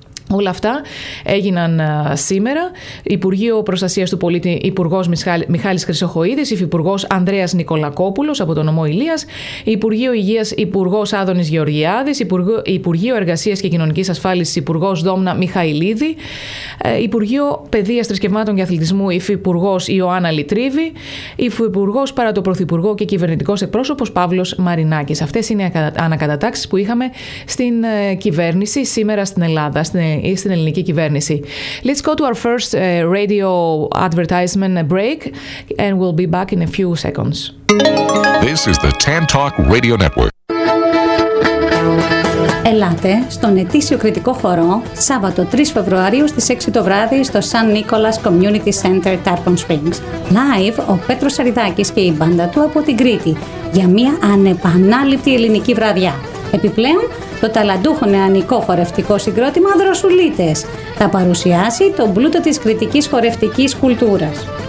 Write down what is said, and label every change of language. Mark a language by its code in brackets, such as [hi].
[el] Όλα αυτά έγιναν σήμερα. Υπουργείο Προστασίας του Πολίτη, Υπουργός Μιχάλης Χρυσοχοΐδης, Υφυπουργός Ανδρέας Νικολακόπουλος από τον ομό Ηλίας, Υπουργείο Υγείας, Υπουργός Άδωνης Γεωργιάδης, Υπουργείο Εργασίας και Κοινωνικής Ασφάλισης, Υπουργός Δόμνα Μιχαηλίδη, Υπουργείο Παιδείας, Θρησκευμάτων και Αθλητισμού, Υφυπουργός Ιωάννα Λιτρίβη, Υφυπουργός παρά το Πρωθυπουργό και Κυβερνητικός Εκπρόσωπος Παύλος Μαρινάκης. Αυτές είναι οι ανακατατάξεις που είχαμε στην κυβέρνηση σήμερα στην Ελλάδα, ή στην ελληνική κυβέρνηση. [en] Let's go to our first radio advertisement break and we'll be back in a few seconds. This is the Tantalk Radio Network. [el] Ελάτε στον ετήσιο κριτικό χορό Σάββατο 3 Φεβρουαρίου στις 6 το βράδυ στο San Nicolas Community Center Tarpon Springs. Live ο Πέτρος Σαριδάκης και η μπάντα του από την Κρήτη για μια ανεπανάληπτη ελληνική βραδιά. Επιπλέον, το ταλαντούχο νεανικό χορευτικό συγκρότημα Δροσουλίτες θα παρουσιάσει τον πλούτο της κρητικής χορευτικής κουλτούρας.